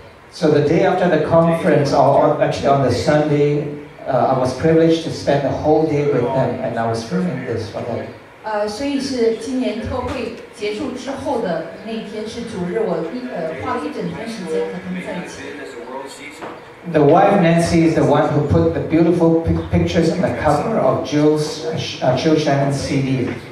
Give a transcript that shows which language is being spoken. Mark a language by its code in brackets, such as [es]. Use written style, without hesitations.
[en] So the day after the conference, or actually on the Sunday, I was privileged to spend the whole day with them, and I was filming this for them. [zh] 所以是今年特会结束之后的那天是主日，我花了一整天时间和他们在一起。 [en] The wife Nancy is the one who put the beautiful pictures on the cover of Jill's Jill Shannon's CD.